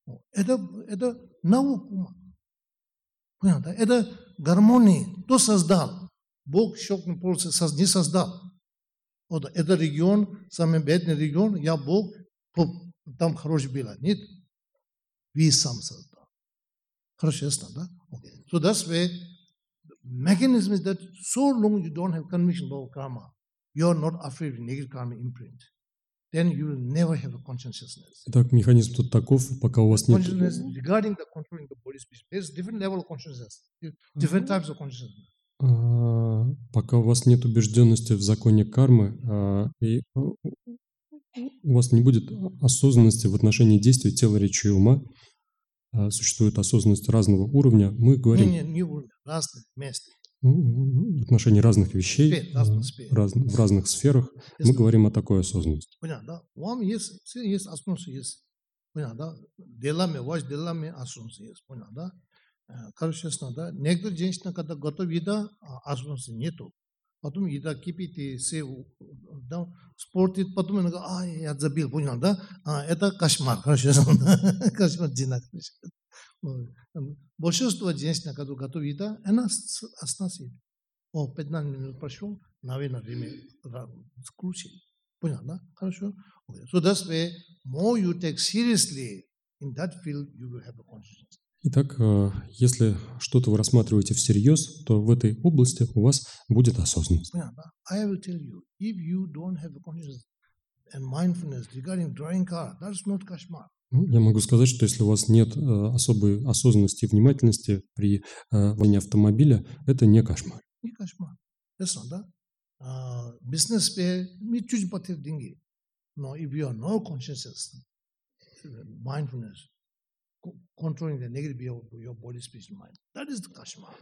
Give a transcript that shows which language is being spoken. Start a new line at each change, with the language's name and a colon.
Russian: Это наука ума. Понятно? Да? Это гармония. Кто создал? Бог щелкнул пальцем, не создал. Вот это регион, самый бедный регион, я Бог, там хороший билет. Нет? Вы сам создал. Хорошо, ясно, да? Okay.
English: So that's why mechanism is that so long you don't have conviction about karma, you are not afraid of negative karma imprint, then you will never have a consciousness.
Russian: Так, механизм тут таков, пока у вас нет...
English: Consciousness regarding the controlling the body speech. There's different level of consciousness, different types of consciousness.
Russian: Пока у вас нет убежденности в законе кармы, и у вас не будет осознанности в отношении действий тела, речи и ума, существует осознанность разного уровня, мы говорим... Не уровня, разных мест. В отношении разных вещей, в разных сферах, мы говорим о такой осознанности. Понятно, да? У вас есть осознанность, есть. Понятно, да? Делами, ваш делами осознанность есть. Понятно, да? Короче, ясно, да? Некоторые женщины, когда готовы еда, осознанности нету. Потом еда кипит и все, да, спортит, потом она говорит, я забил, понял, да? Это кошмар, короче, кошмар, динамический. Большинство женщин, которые готовят еда, она остановит. О, 15 минут прошло, наверное, время скручили. Понял, да? Хорошо? Okay.
English: So that's why more you take seriously in that field, you will have a consciousness.
Russian: Итак, если что-то вы рассматриваете всерьез, то в этой области у вас будет осознанность. Понял, да?
English: I will tell you, if you don't have a consciousness and mindfulness regarding driving car, that's not кошмар.
Russian: Я могу сказать, что если у вас нет особой осознанности и внимательности при вождении автомобиля, это не кошмар. Не кошмар. Ясно, да? Бизнес мы чуть потеряем деньги.
English: Но if you are no consciousness, mindfulness, controlling the negative your body, speech, mind, that is the кошмар.